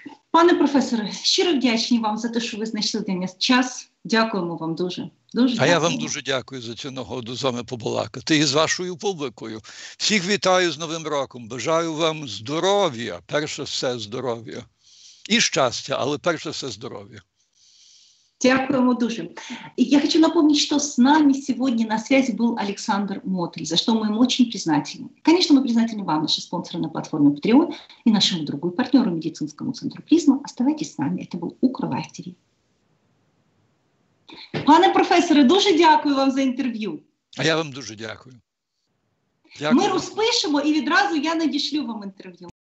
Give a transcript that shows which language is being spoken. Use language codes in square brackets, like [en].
[uk] Пане професоре, щиро вдячні вам за те, що ви знайшли для нас час. Дякуємо вам дуже. Дуже дякую. А я вам дуже дякую за цю нагоду з вами побалакати і з вашою публікою. Всіх вітаю з Новим роком. Бажаю вам здоров'я, перше все здоров'я. І щастя, але перше все здоров'я. Дякуємо дуже. [ru] Я хочу напомнить, что с нами сегодня на связи был Александр Мотель, за что мы им очень признательны. Конечно, мы признательны вам, наши спонсоры на платформе Patreon и нашему другу и партнеру медицинскому центру Призма. Оставайтесь с нами. Это был Укрлайф ТВ. [uk] Пане професоре, дуже дякую вам за интервью. А я вам дуже дякую. Ми розпишемо і відразу я надішлю вам інтерв'ю.